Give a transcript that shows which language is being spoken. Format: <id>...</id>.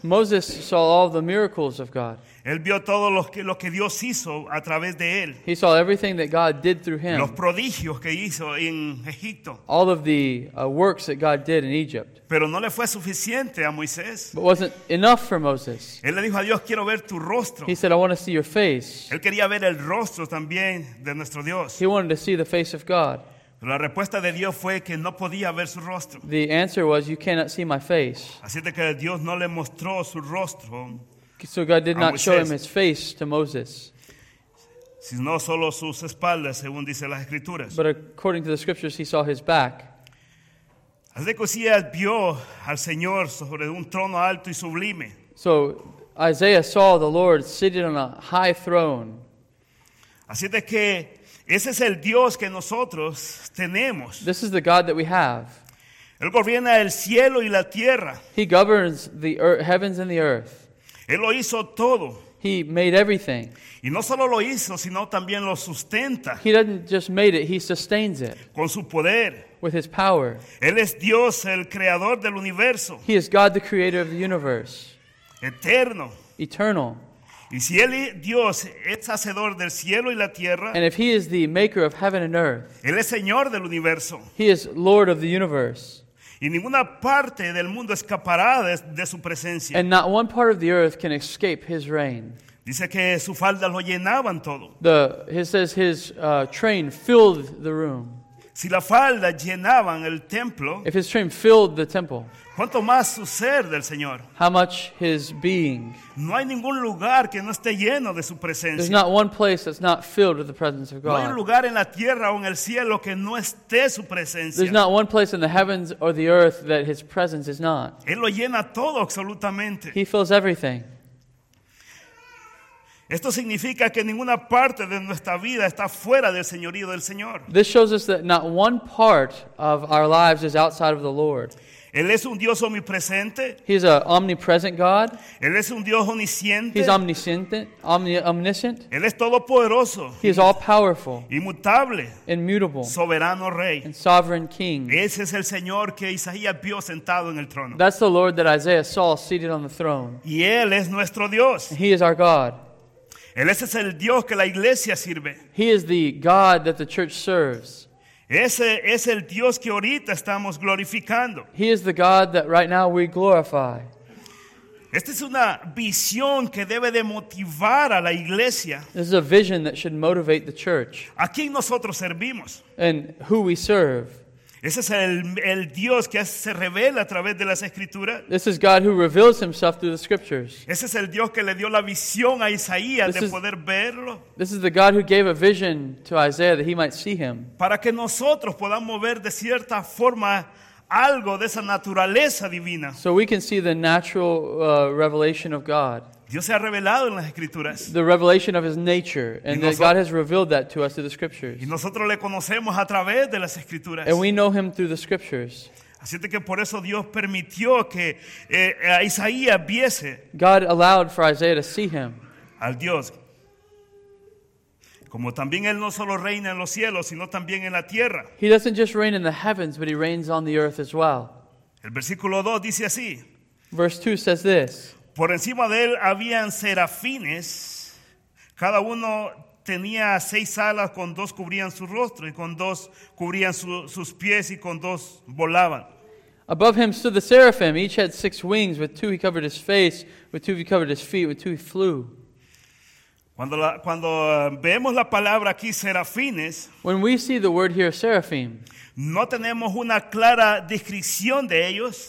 <en>Moses saw all the miracles of God.</en> <es>Él vio todo lo que Dios hizo a través de él.</es> <en>He saw everything that God did through him.</en> <es>Los prodigios que hizo en Egipto.</es> <en>All of the works that God did in Egypt.</en> <es>Pero no le fue suficiente a Moisés.</es> <en>But wasn't enough for Moses.</en> <es>Él le dijo a Dios, quiero ver tu rostro.</es> <en>He said, I want to see your face.</en> <es>Él quería ver el rostro también de nuestro Dios.</es> <en>He wanted to see the face of God.</en> <es>La respuesta de Dios fue que no podía ver su rostro.</es> <en>The answer was, you cannot see my face.</en> <es>Así de que Dios no le mostró su rostro.</es> <en>So God did not show him his face to Moses.</en> <es>Sino solo sus espaldas, según dice las escrituras.</es> <en>But according to the scriptures, he saw his back.</en> <es>Así que Josías vio al Señor sobre un trono alto y sublime.</es> <en>So Isaiah saw the Lord seated on a high throne.</en> <es>Así es que ese es el Dios que nosotros tenemos.</es> <en>This is the God that we have.</en> <es>Él gobierna el cielo y la tierra.</es> <en>He governs the earth, heavens and the earth.</en> <es>Él lo hizo todo.</es> <en>He made everything.</en> <es>Y no solo lo hizo, sino también lo sustenta.</es> <en>He doesn't just made it, he sustains it.</en> <es>Con su poder.</es> <en>With his power.</en> <es>Él es Dios, el creador del universo.</es> <en>He is God, the creator of the universe.</en> <es>Eterno.</es> <en>Eternal.</en> <es>Y si él, Dios, es hacedor del cielo y la tierra.</es> <en>And if he is the maker of heaven and earth.</en> <es>Él es señor del universo.</es> <en>He is Lord of the universe.</en> <es>Y ninguna parte del mundo escapará de su presencia.</es> <en>And not one part of the earth can escape his reign.</en> <es>Dice que su falda lo llenaban todo.</es> <en>His train filled the room.</en> <es>Si la falda llenaban el templo.</es> <en>If his train filled the temple.</en> <es>¿Cuánto más su ser del Señor?</es> <en>How much his being.</en> <es>No hay ningún lugar que no esté lleno de su presencia.</es> <en>There's not one place that's not filled with the presence of God.</en> <es>No hay lugar en la tierra o en el cielo que no esté su presencia.</es> <en>There's not one place in the heavens or the earth that his presence is not.</en> <es>Él lo llena todo absolutamente.</es> <en>He fills everything.</en> <es>Esto significa que ninguna parte de nuestra vida está fuera del señorío del Señor.</es> <en>This shows us that not one part of our lives is outside of the Lord.</en> <es>Él es un Dios omnipresente.</es> <en>He is an omnipresent God.</en> <es>Él es un Dios omnisciente.</es> <en>He's omniscient. Omniscient.</en> <es>Él es todopoderoso.</es> <en>He is all powerful.</en> <es>Inmutable.</es> <en>Immutable.</en> <es>Soberano rey.</es> <en>And sovereign king.</en> <es>Ese es el Señor que Isaías vio sentado en el trono.</es> <en>That's the Lord that Isaiah saw seated on the throne.</en> <es>Y él es nuestro Dios.</es> <en>And he is our God.</en> <es>Él es el Dios que la iglesia sirve.</es> <en>He is the God that the church serves.</en> <es>Ese es el Dios que ahorita estamos glorificando.</es> <en>He is the God that right now we glorify.</en> <es>Esta es una visión que debe de motivar a la iglesia.</es> <en>This is a vision that should motivate the church.</en> <es>¿A quién nosotros servimos?</es> <en>And who we serve.</en> <es>Ese es el Dios que se revela a través de las escrituras.</es> <en>This is God who reveals himself through the scriptures.</en> <es>Ese es el Dios que le dio la visión a Isaías de poder verlo.</es> <en>This is the God who gave a vision to Isaiah that he might see him.</en> <es>Para que nosotros podamos ver de cierta forma algo de esa naturaleza divina.</es> <en>So we can see the natural revelation of God.</en> <es>Dios se ha revelado en las escrituras.</es> <en>The revelation of his nature, and that God has revealed that to us through the scriptures.</en> <es>Y nosotros le conocemos a través de las escrituras.</es> <en>And we know him through the scriptures.</en> <es>Así es que por eso Dios permitió que a Isaías viese.</es> <en>God allowed for Isaiah to see him.</en> <es>Al Dios. Como también él no solo reina en los cielos, sino también en la tierra.</es> <en>He doesn't just reign in the heavens, but he reigns on the earth as well.</en> <es>El versículo 2 dice así.</es> <en>Verse 2 says this.</en> <es>Por encima de él habían serafines, cada uno tenía seis alas, con dos cubrían su rostro y con dos cubrían sus pies y con dos volaban.</es> <en>Above him stood the seraphim, each had six wings, with two he covered his face, with two he covered his feet, with two he flew.</en> <es>Cuando vemos la palabra aquí serafines,</es> <en>when we see the word here seraphim,</en> <es>no tenemos una clara descripción de ellos.</es>